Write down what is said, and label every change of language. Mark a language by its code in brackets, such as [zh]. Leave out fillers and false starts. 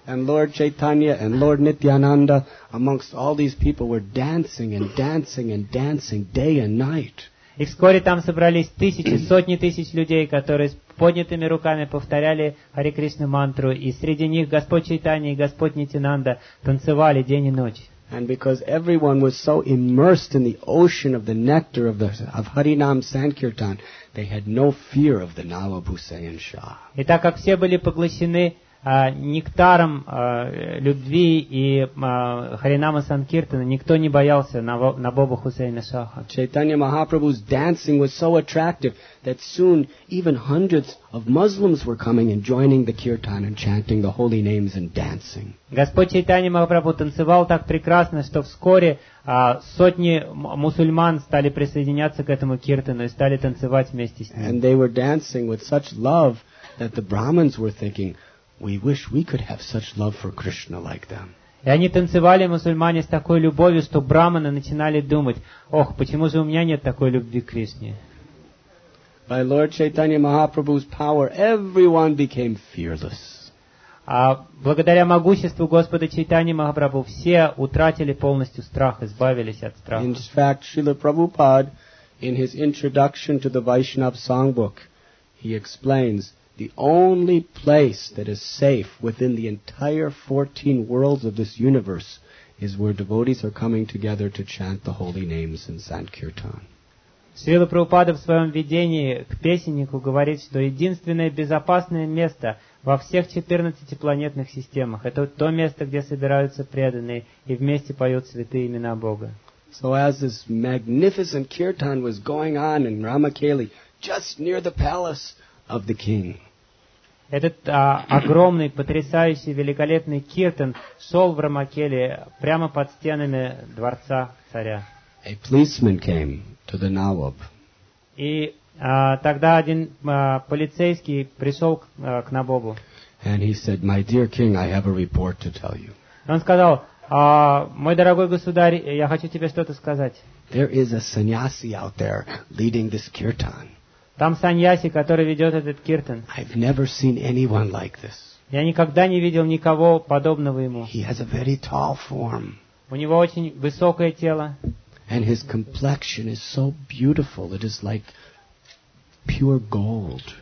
[en] And Lord Chaitanya and Lord Nityananda, amongst all these people, were dancing and dancing and dancing day and night. [ru] И вскоре там собрались тысячи, сотни тысяч людей, которые с поднятыми руками повторяли Хари Кришна мантру, и среди них Господь Чайтанья и Господь Нитинанда танцевали день и ночь. [en] And because everyone was so immersed in the ocean of the nectar of Harinam Sankirtan, they had no fear of the Nawab Hussain Shah. [ru] И так как все были поглощены нектаром любви и Харинама Санкиртана, никто не боялся Набоба Хусейна Шаха. [en] Chaitanya Mahaprabhu's dancing was so attractive that soon even hundreds of Muslims were coming and joining the kirtan and chanting the holy names and dancing. [ru] Господь Чайтанья Махапрабху танцевал так прекрасно, что вскоре сотни мусульман стали присоединяться к этому киртану и стали танцевать вместе с ним. [en] And they were dancing with such love that the Brahmins were thinking, we wish we could have such love for Krishna like them. [ru] И они танцевали, мусульмане, с такой любовью, что браманы начинали думать, ох, почему же у меня нет такой любви к Кришне? [en] By Lord Chaitanya Mahaprabhu's power, everyone became fearless. [ru] А благодаря могуществу Господа Чайтани Махапрабху все утратили полностью страх, избавились от страха. [en] In fact, Srila Prabhupada, in his introduction to the Vaishnava songbook, he explains the only place that is safe within the entire 14 worlds of this universe is where devotees are coming together to chant the holy names in Sankirtan. [ru] Srila Prabhupada в своем видении к песеннику говорит, что единственное безопасное место во всех 14 планетных системах — это то место, где собираются преданные и вместе поют святые имена Бога. [en] So as this magnificent kirtan was going on in Ramakeli, just near the palace of the king. [ru] Этот огромный, потрясающий, великолепный киртан шел в Рамакели прямо под стенами дворца царя. [en] A policeman came to the Nawab. [ru] И тогда один полицейский пришел к Набобу. [en] And he said, "My dear king, I have a report to tell you." [ru] Он сказал: "Мой дорогой государь, я хочу тебе что-то сказать." [en] There is a sannyasi out there leading this kirtan. [ru] Там саньяси, который ведет этот киртан. [en] I've never seen anyone like this. [ru] Я никогда не видел никого подобного ему. [en] He has a very tall form. [ru] У него очень высокое тело. [en] And his complexion is so beautiful, it is like pure gold.